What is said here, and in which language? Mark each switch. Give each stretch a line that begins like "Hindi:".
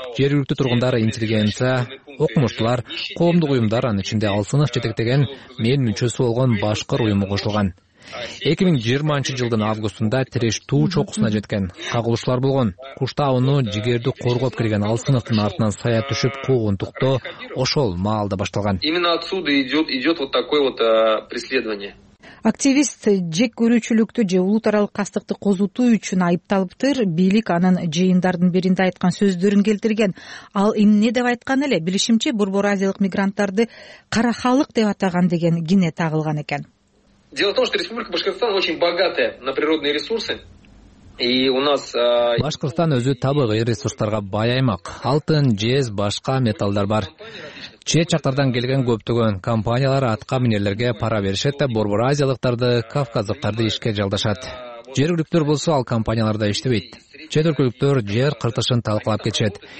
Kyrgyz: Жергиликтүү тургундар, интеллигенция, окумуштуулар, коомдук уюмдар, анын ичинде Алсынов жетектеген мен мүчөсү болгон башкыр уюму кошулган. 2020-жылдын августунда тиреш туу чокусуна жеткен кагылышуулар болгон. Куш тауну жигерди коргоп кирген Алсыновдун артынан сая түшүп куугунтукто ошол маалда башталган.
Russian: Именно отсюда идет вот такое вот преследование.
Kyrgyz: Активист жек көрүүчүлүктү же улут аралык кастыкты козутуу үчүн айыпталыптыр. Бийлик анын жыйындардын биринде айткан сөздөрүн келтирген. Ал эмне деп айткан эле? Билишимче, борбор азиялык мигранттарды кара халык деп атаган деген гине тагылган экен.
Russian: Дело в том, что Республика Башкортостан очень богатая на природные ресурсы.
Kyrgyz: Башкортостан өзү табигый ресурстарга бай аймак. Алтын, жез, башка металлдар бар. Чет жактардан келген көптөгөн компаниялар атка минерлерге пара беришет да борбор азиялыктарды, кавказдыктарды ишке жалдашат. Жергиликтүү болсо ал компанияларда иштебейт. Чет өлкөлүктөр жер кыртышын талкалап кетишет.